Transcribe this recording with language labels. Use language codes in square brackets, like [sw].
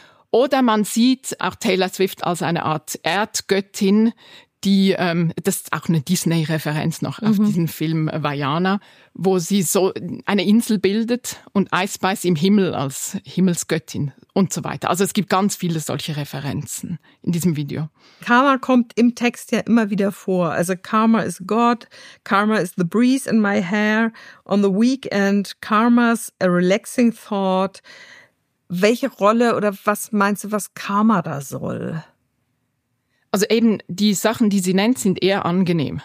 [de] Oder man sieht auch Taylor Swift als eine Art Erdgöttin, die, das ist auch eine Disney-Referenz noch auf diesen Film Vaiana, wo sie so eine Insel bildet und Ice Spice im Himmel als Himmelsgöttin und so weiter. Also es gibt ganz viele solche Referenzen in diesem Video. Karma kommt im Text ja immer wieder vor. Also [en] Karma is God, Karma is the breeze in my hair, on the weekend, Karma's a relaxing thought. [de] Welche Rolle oder was meinst du, was Karma da soll? Also eben die Sachen, die sie nennt, sind eher angenehm.